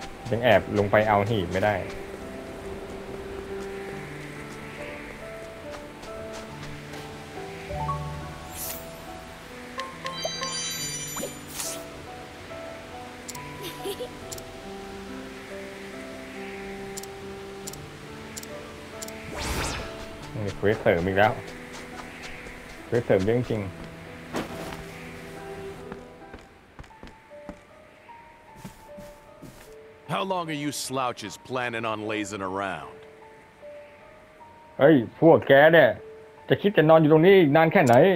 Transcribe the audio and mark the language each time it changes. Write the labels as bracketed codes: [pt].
[th] ยังแอบลงไปเอาหีบไม่ได้เวทเสริมอีกแล้วเวทเสริมจริง [en] ๆ How long are you slouches planning on lazing around? [th] เฮ้ยพวกแกเนี่ยจะคิดจะนอนอยู่ตรงนี้อีกนานแค่ไหน